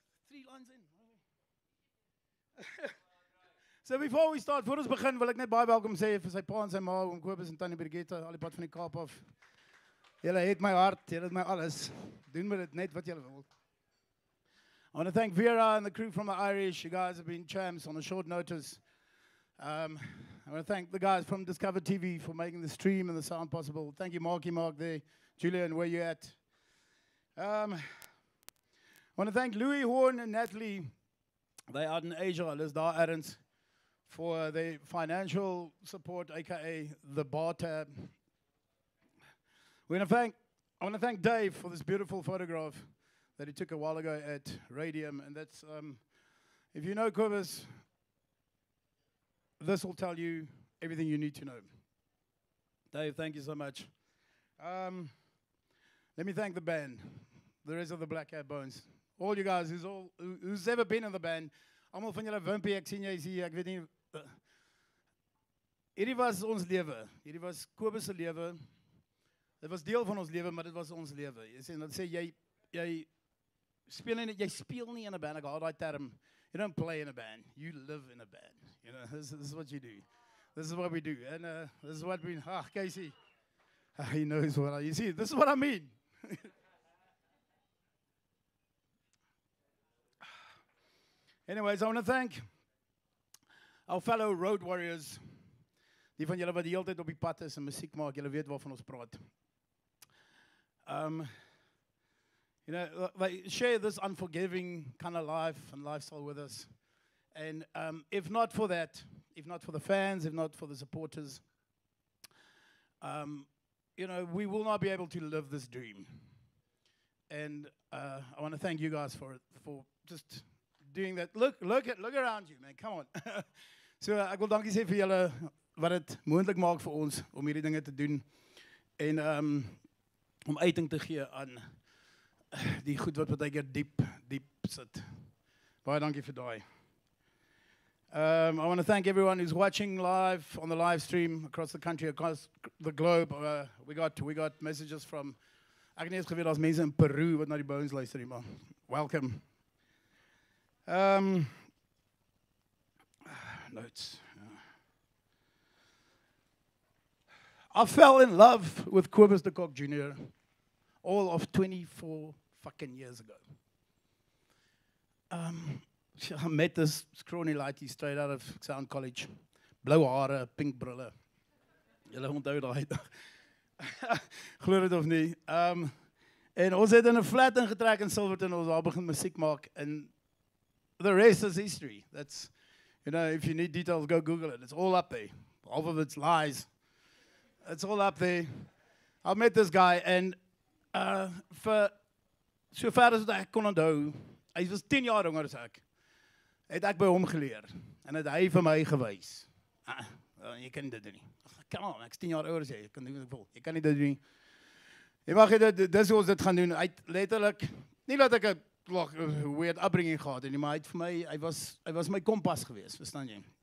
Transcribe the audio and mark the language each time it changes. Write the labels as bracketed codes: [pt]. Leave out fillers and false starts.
[en] 3 lines in. So before we start, [af] voor ons begin, wil ek net baie welkom sê vir sy pa en sy ma, oom Kobus en tannie Brigitte, al die pad van die Kaap af. Julle het my hart, julle het my alles. Doen met dit net wat julle wil. [en] I want to thank Vera and the crew from the Irish. You guys have been champs on a short notice. I want to thank the guys from DiscovrTV for making the stream and the sound possible. Thank you, Marky Mark there. Julian, where you at? I want to thank Louis Horn and Natalie. They are in Asia, Liz Dar Adams, for their financial support, aka the bar tab. I want to thank Dave for this beautiful photograph that he took a while ago at Radium. And that's, if you know Kobus, this will tell you everything you need to know. Dave, thank you so much. Let me thank the band, the rest of the Black Cat Bones. All you guys who's ever been in the band, [af] almal van julle wimpie, ek sien jy is hier, ek weet nie. Hierdie was ons lewe. Hierdie was Kobus se lewe. Dit was deel van ons lewe, maar dit was ons lewe. Jy sê, dan sê jy speel nie, jy speel nie [en] in a band, [af] ek haal die term. [en] You don't play in a band, you live in a band. You know, this is what you do. This is what we do. And this is what we, Casey. He knows what I, you see, this is what I mean. Anyways, I want to thank our fellow road warriors. [af] Die van julle wat die hele tyd op die pad is en musiek maak, julle weet waarvan ons praat. [en] You know, they share this unforgiving kind of life and lifestyle with us. And if not for that, if not for the fans, if not for the supporters, you know, we will not be able to live this dream. And I want to thank you guys for just doing that. Look around you, man. Come on. [af] So ek wil dankie sê vir julle wat dit moontlik maak vir ons om hierdie dinge te doen en om uiting te gee aan die goed wat partykeer diep sit. Baie dankie vir daai. [en] I want to thank everyone who's watching live on the live stream across the country, across the globe. We got messages from [af] Agnes Gewiel, as mense in Peru wat na die Bones luister, maar welcome. [en] Notes. I fell in love with Kobus de Kock Jr. all of 24 fucking years ago. I met this scrawny lighty straight out of sound college. [af] Blue hare, pink brille. Julle onthou daai dag. Glo dit of nie. En ons het in 'n flat ingetrek in Silverton, ons daar begin musiek maak en [en] the rest is history. That's, you know, if you need details, go Google it. It's all up there. All of it's lies. It's all up there. I met this guy, and for so far as I can onthou, he was 10 years younger than I. [af] Het ek by hom geleer, en het hy vir my gewys. Jy kan dit doen nie. [en] Come on, [af] ek's 10 jaar ouder as jy. Jy kan nie dit doen nie. Jy mag dit. Dis hoe ons dit gaan doen. Hy letterlik, nie dat ek weird upbringing gehad en nie, maar hy was my kompas gewees, verstaan jy?